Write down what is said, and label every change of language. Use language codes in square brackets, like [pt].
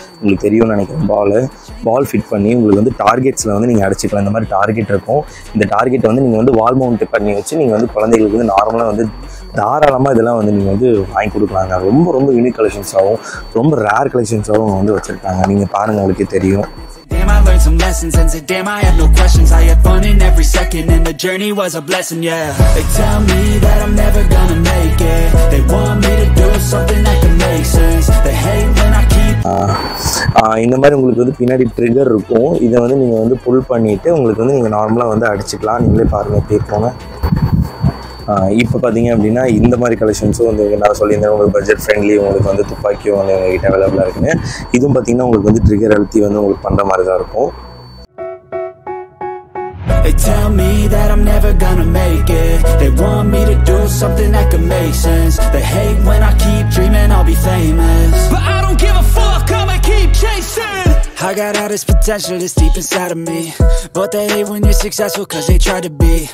[ta] உங்களுக்கு தெரியும்னு நினைக்கிறேன் பால் ஃபிட் பண்ணி உங்களுக்கு வந்து டார்கெட்ஸில் வந்து நீங்கள் அடிச்சிக்கலாம். இந்த மாதிரி டார்கெட் இருக்கும். இந்த டார்கெட்டை வந்து நீங்கள் வந்து வால் மவுண்ட் பண்ணி வச்சு நீங்கள் வந்து குழந்தைகளுக்கு வந்து நார்மலாக வந்து தாராளமாக இதெல்லாம் வந்து நீங்கள் வந்து வாங்கி கொடுக்கலாங்க. ரொம்ப ரொம்ப யூனிக் கலெக்ஷன்ஸாகவும் ரொம்ப ரேர் கலெக்ஷன்ஸாகவும் வந்து வச்சுருக்காங்க. நீங்கள் பாருங்கள் உங்களுக்கே தெரியும். [en] Damn, I learned some lessons, and damn, I had no questions. I had fun in every second, and the journey was a blessing, yeah. They tell me that I'm never gonna make it. They want me to do something that can make sense. They hate when I keep... [ta] இந்த மாதிரி உங்களுக்கு வந்து பின்னாடி trigger இருக்கும். இதை வந்து நீங்கள் வந்து புல் பண்ணிவிட்டு உங்களுக்கு வந்து நீங்கள் நார்மலாக வந்து அடிச்சுக்கலாம். நீங்களே பாருங்கள் எப்படி இருக்கோங்க. இப்போ பார்த்தீங்க அப்படின்னா இந்த மாதிரி கலெக்ஷன்ஸும் வந்து நான் சொல்லியிருந்தேன், உங்களுக்கு பட்ஜெட் ஃப்ரெண்ட்லி, உங்களுக்கு வந்து துப்பாக்கியும் வந்து எங்ககிட்ட அவைலபிளாக இருக்குங்க. இதுவும் பார்த்தீங்கன்னா உங்களுக்கு வந்து ட்ரிகர் அழுத்தி வந்து உங்களுக்கு பண்ணுற மாதிரி தான் இருக்கும். [en] They tell me that I'm never gonna make it. They want me to do something that could make sense. They hate when I keep dreaming I'll be famous, but I don't give a fuck, I'ma keep chasing. I got all this potential that's deep inside of me, but they hate when you're successful cause they try to be.